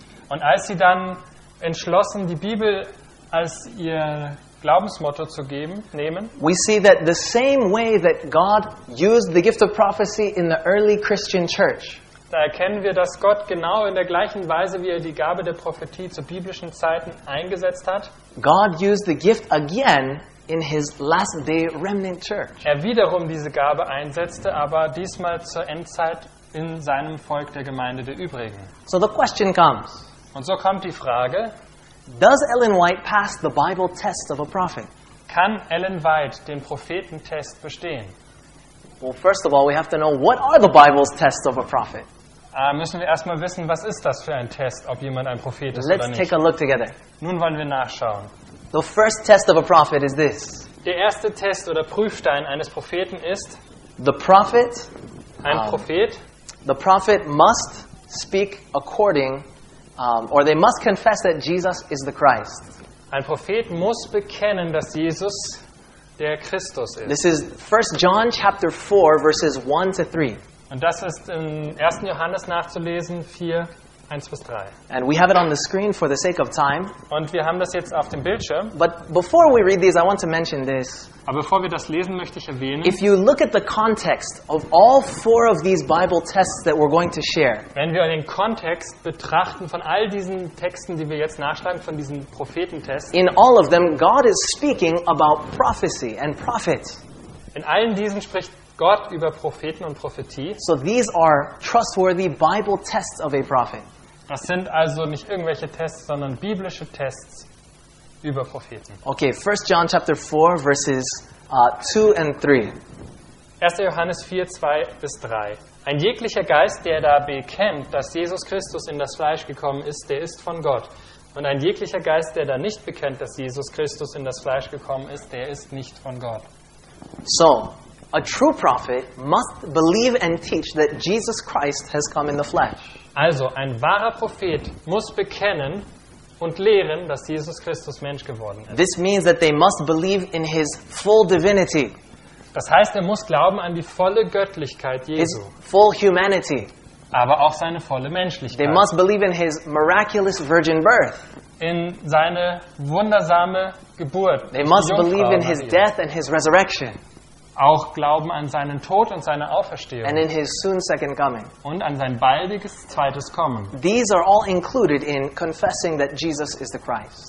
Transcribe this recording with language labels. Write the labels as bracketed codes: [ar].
[de] Und als sie dann entschlossen, die Bibel als ihr Glaubensmotto zu geben, nehmen. [en] We see that the same way that God used the gift of prophecy in the early Christian church. [de] Da erkennen wir, dass Gott genau in der gleichen Weise, wie er die Gabe der Prophetie zu biblischen Zeiten eingesetzt hat. [en] God used the gift again in his last day remnant church. [de] Er wiederum diese Gabe einsetzte, aber diesmal zur Endzeit in seinem Volk der Gemeinde der Übrigen. [en] So the question comes. [de] Und so kommt die Frage. [en] Does Ellen White pass the Bible test of a prophet? [de] Kann Ellen White den Prophetentest bestehen? [en] Well, first of all, we have to know what are the Bible's tests of a prophet. [de] Müssen wir erstmal wissen, was ist das für ein Test, ob jemand ein Prophet ist [en] Let's [de] oder nicht? [en] Let's take a look together. [de] Nun wollen wir nachschauen. [en] The first test of a prophet is this. [de] Der erste Test oder Prüfstein eines Propheten ist [en] the prophet. [de] Ein Prophet. [en] The prophet must speak according. Or they must confess that Jesus is the Christ. [de] Ein Prophet muss bekennen, dass Jesus der Christus ist. [en] This is 1 John chapter 4 verses 1 to 3. [de] Und das ist in 1. Johannes nachzulesen 4 1 bis 3. [en] And we have it on the screen for the sake of time. [de] Und wir haben das jetzt auf dem Bildschirm. [en] But before we read these, I want to mention this. [de] Aber bevor wir das lesen, möchte ich erwähnen. [en] If you look at the context of all four of these Bible tests that we're going to share. [de] Wenn wir den Kontext betrachten von all diesen Texten, die wir jetzt nachschlagen von diesen Prophetentests. [en] In all of them God is speaking about prophecy and prophets. [de] In allen diesen spricht Gott über Propheten und Prophetie. [en] So these are trustworthy Bible tests of a prophet. [de] Das sind also nicht irgendwelche Tests, sondern biblische Tests über Propheten. [en] Okay, 1 John chapter 4 verses 2 and 3. [de] 1. Johannes 4, 2 bis 3. Ein jeglicher Geist, der da bekennt, dass Jesus Christus in das Fleisch gekommen ist, der ist von Gott. Und ein jeglicher Geist, der da nicht bekennt, dass Jesus Christus in das Fleisch gekommen ist, der ist nicht von Gott. [en] So, a true prophet must believe and teach that Jesus Christ has come in the flesh. [de] Also, ein wahrer Prophet muss bekennen und lehren, dass Jesus Christus Mensch geworden ist. [en] This means that they must believe in his full divinity. [de] Das heißt, er muss glauben an die volle Göttlichkeit Jesu. [en] His full humanity. [de] Aber auch seine volle Menschlichkeit. [en] They must believe in his miraculous virgin birth. [de] In seine wundersame Geburt. [en] They must believe in his death and his resurrection. [de] Auch glauben an seinen Tod und seine Auferstehung. [en] And in his soon second coming. [de] Und an sein baldiges zweites Kommen. [en] These are all included in confessing that Jesus is the Christ.